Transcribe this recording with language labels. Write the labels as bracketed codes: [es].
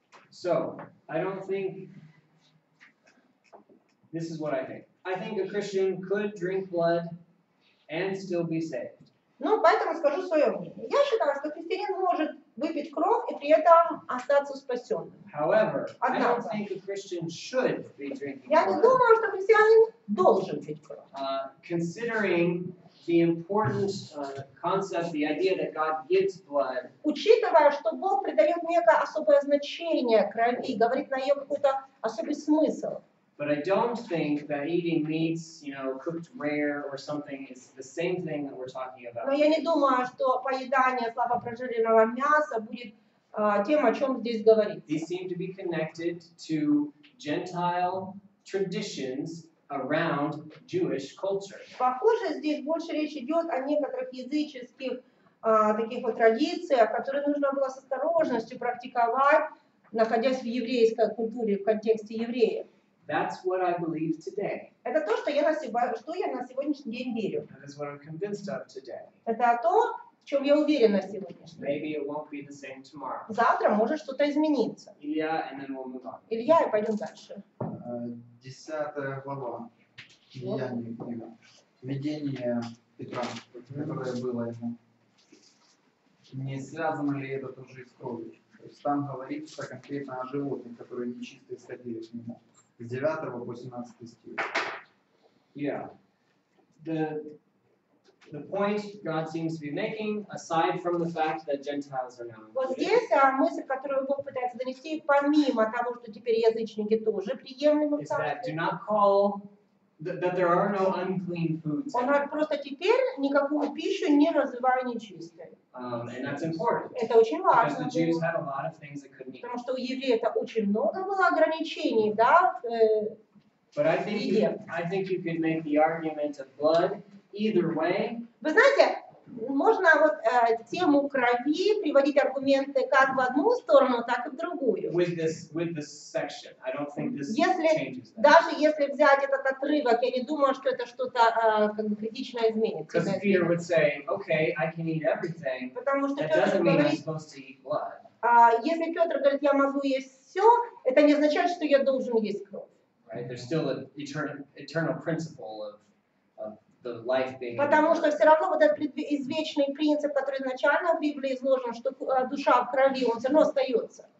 [en] So, I don't think this is what I think. I think a Christian could drink blood and still be saved. [ru] Ну, поэтому скажу свое мнение. Я считаю, что христианин может выпить кровь и при этом остаться спасенным. [en] However, [ru] однако, [en] I don't think a Christian should be drinking blood. [ru] Я не думаю, что христианин должен пить кровь. [en] Considering the important concept, the idea that God gives blood. [ru] Учитывая, что Бог придает некое особое значение крови, говорит на ее какой-то особый смысл. [en] But I don't think that eating meats, you know, cooked rare or something, is the same thing that we're talking about. [ru] Но я не думаю, что поедание слабопрожаренного мяса будет тем, о чем здесь говорится. [en] These seem to be connected to Gentile traditions around Jewish culture. [ru] Похоже, здесь больше речь идет о некоторых языческих таких вот традициях, которые нужно было с осторожностью практиковать, находясь в еврейской культуре, в контексте евреев. [en] That's what I believe today. [ru] Это то, что я на сегодняшний день верю. [en] That is what I'm convinced of today. [ru] Это то, в чем я уверен на сегодняшний день. [en] Maybe it won't be the same tomorrow. [ru] Завтра может что-то измениться. [en] Илья, and then we'll move on. [ru] Илья, и пойдем дальше. Десятая глава Деяния книга. Видение Петра, которое было ему. Не связано ли это тоже с кровью? То есть там говорится конкретно о животных, которые нечистые сходили к нему. С 9 по 18 стих. [en] Yeah. The the point God seems to be making, aside from the fact that Gentiles are now. [ru] Вот здесь мысль, которую Бог пытается донести, помимо того, что теперь язычники тоже приемлемы. [en] Is that do not call that there are no unclean foods. [ru] Он говорит, просто теперь никакую пищу не называю нечистой. [en] And that's important. [ru] Это очень важно. [en] Because the Jews had a lot of things they couldn't eat. [ru] Потому что у евреев очень много было ограничений, да? [en] But I think you could make the argument of blood either way. [ru] Вы знаете, можно вот тему крови приводить аргументы как в одну сторону, так и в другую. [en] With this section, I don't think this [ru] если, [en] changes that. [ru] Даже если взять этот отрывок, я не думаю, что это что-то как бы критично изменит. [en] Because Peter would say, okay, I can eat everything. [ru] Потому что [en] that doesn't mean I'm supposed to eat blood. [ru] Если Петр говорит, я могу есть все, это не означает, что я должен есть кровь. [en] Right? There's still an eternal principle of the life being. [ru] Потому что все равно вот этот извечный принцип, который изначально в Библии изложен, что душа в крови, он все равно остается.